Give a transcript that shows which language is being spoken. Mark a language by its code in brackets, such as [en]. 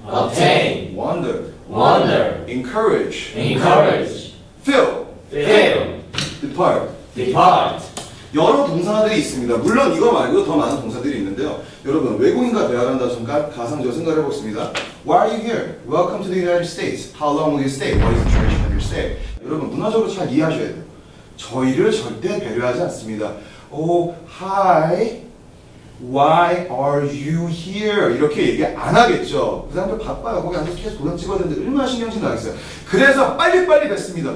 [en] obtain, wonder, wonder, encourage, encourage, fill, fill, depart, depart. [ko] 여러 동사들이 있습니다. 물론 이거 말고도 더 많은 동사들이 있는데요. 여러분, 외국인과 대화한다 순간 가상적 생각을 해보겠습니다. [en] Why are you here? Welcome to the United States. How long will you stay? What is the duration of your stay? [ko] 여러분, 문화적으로 잘 이해하셔야 돼요. 저희를 절대 배려하지 않습니다. [en] Oh, hi. Why are you here? [ko] 이렇게 얘기 안 하겠죠. 그 사람들 바빠요. 거기 앉아서 계속 도장 찍어야 되는데 얼마나 신경질 나겠어요. 그래서 빨리빨리 뵙습니다.